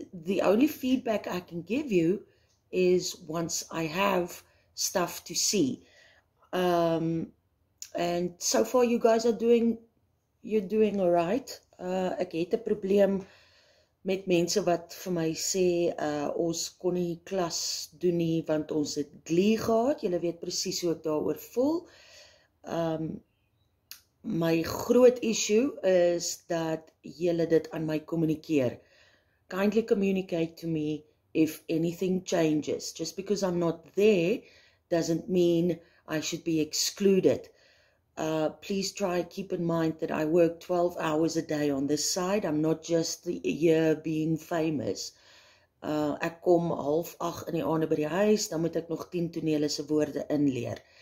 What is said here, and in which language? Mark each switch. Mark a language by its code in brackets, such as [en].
[en] The only feedback I can give you is once I have stuff to see. And so far you guys are doing all right. [af] Ek het 'n probleem met mense wat vir my sê ons kon nie klas doen nie want ons het glee gehad. Julle weet presies hoe ek daaroor voel. My groot issue is dat julle dit aan my kommunikeer. [en] Kindly communicate to me if anything changes. Just because I'm not there doesn't mean I should be excluded. Please try keep in mind that I work 12 hours a day on this side. I'm not just here being famous. [af] Ek kom 7:30 in die aande by die huis, dan moet ek nog 10 tonele se woorde inleer.